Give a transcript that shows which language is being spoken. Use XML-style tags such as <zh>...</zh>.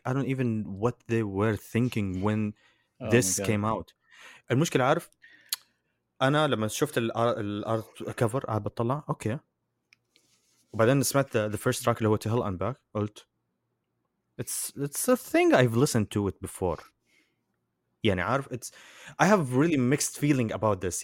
<en>I don't even what they were thinking when this came out.</en> <ar>المشكلة عارف؟ أنا لما شفت الارت كفر عاد بطلع أوكي. وبعدين سمعت</ar> <en>the first track</en> <ar>اللي هو To Hell and Back. قلت</ar> <en>it's a thing I've listened to it before.</en> <ar>يعني عارف</ar> <en>it's I have really mixed feeling about this.</en>